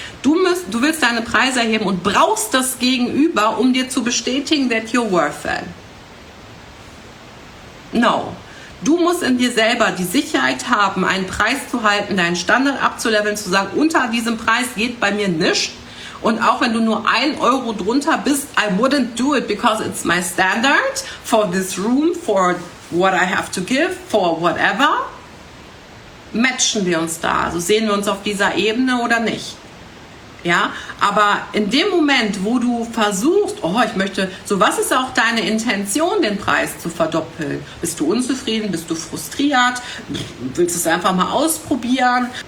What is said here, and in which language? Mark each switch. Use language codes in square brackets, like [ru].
[de] Du willst deine Preise erheben und brauchst das Gegenüber, um dir zu bestätigen, [en] that you're worth it. No. [de] Du musst in dir selber die Sicherheit haben, einen Preis zu halten, deinen Standard abzuleveln, zu sagen, unter diesem Preis geht bei mir nichts. Und auch wenn du nur 1 Euro drunter bist, [en] I wouldn't do it because it's my standard for this room, for what I have to give, for whatever. [de] Matchen wir uns da? Also sehen wir uns auf dieser Ebene oder nicht? Ja, aber in dem Moment, wo du versuchst, oh, ich möchte, so was ist auch deine Intention, den Preis zu verdoppeln? Bist du unzufrieden? Bist du frustriert? Willst du es einfach mal ausprobieren?